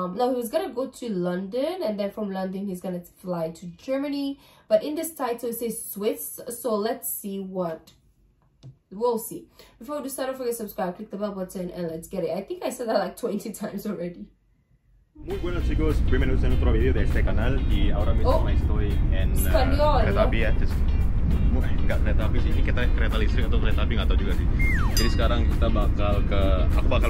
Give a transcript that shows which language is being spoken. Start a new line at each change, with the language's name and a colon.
English: He was gonna go to London, and then from London he's gonna fly to Germany, but in this title it says Swiss, so let's see what we'll see. Before we do start, don't forget to subscribe, click the bell button, and let's get it. I think I said that like 20 times already.
Spanish: Muy buenos chicos, bienvenidos en otro video de este canal, y ahora mismo estoy en
Indonesian: kereta listrik atau kereta api, nggak tahu juga sih. Jadi sekarang kita bakal ke, aku bakal